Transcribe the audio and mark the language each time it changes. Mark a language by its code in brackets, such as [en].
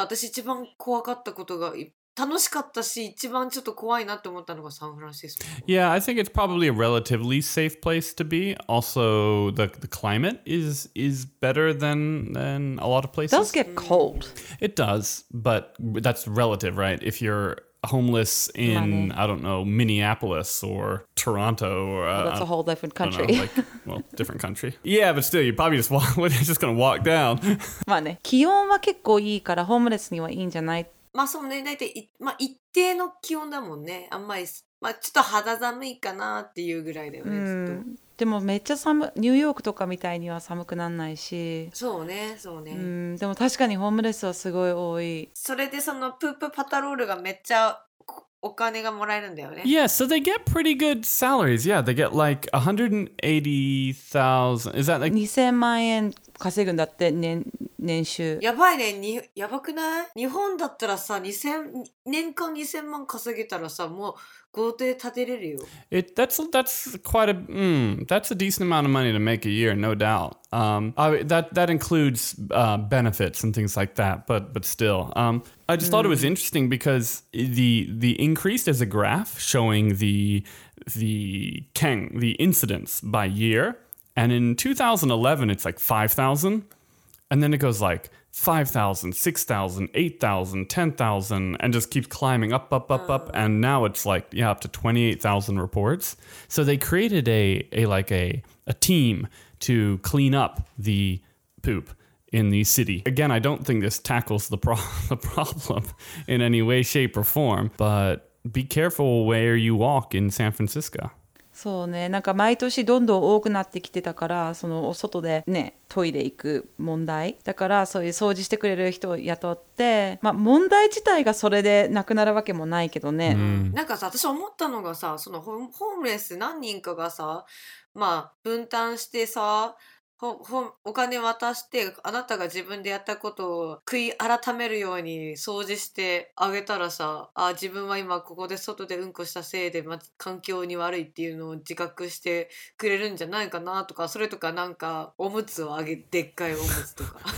[ja] 私一番怖かったことが、楽しかったし、一番ちょっと怖いなって思ったのがサンフランシスコ。 [en] Yeah, I think it's probably a relatively safe place to be. Also, the climate is better than a lot of places. It does get cold. It does, but that's relative, right? If you're homeless in, I don't know, Minneapolis or Toronto. Or, well, that's a whole different country. different country. Yeah, but still, you're probably just going to walk down. [ja] まあね、気温は結構いいからホームレスにはいいんじゃない？まあそうね、大体まあ一定の気温だもんね。あんまり、まあちょっと肌寒いかなっていうぐらいだよね。でもめっちゃ寒、ニューヨークとかみたいには寒くならないし。そうね、そうね。でも確かにホームレスはすごい多い。それでそのプープーパトロールがめっちゃ、お金がもらえるんだよね。 [en] Yeah, so they get pretty good salaries. Yeah, they get like 180,000. Is that like [ja] 2,000万円稼ぐんだって年年収。やばいね。やばくない？日本だったらさ、年間2,000万稼げたらさ、もう豪邸建てれるよ。 [en] That's a decent amount of money to make a year, no doubt. That includes benefits and things like that, but still. I just thought it was interesting because the increase is a graph showing the incidence by year. And in 2011, it's like 5,000. And then it goes like 5,000, 6,000, 8,000, 10,000, and just keeps climbing up, up, up, up. And now it's like, yeah, up to 28,000 reports. So they created a team to clean up the poop in the city. Again, I don't think this tackles the problem in any way, shape, or form, but be careful where you walk in San Francisco. [ja] そうね、なんか毎年どんどん多くなってきてたから、その外でね、トイレ行く問題だから、そういう掃除してくれる人を雇って、まあ、問題自体がそれでなくなるわけもないけどね。なんかさ、私思ったのがさ、そのホームレス何人かがさ、まあ、分担してさ、お金渡してあなたが自分でやったことを悔い改めるように掃除してあげたらさ、あ、自分は今ここで外でうんこしたせいで、ま、環境に悪いっていうのを自覚してくれるんじゃないかなとか、それとかなんかおむつをあげ、でっかいおむつとか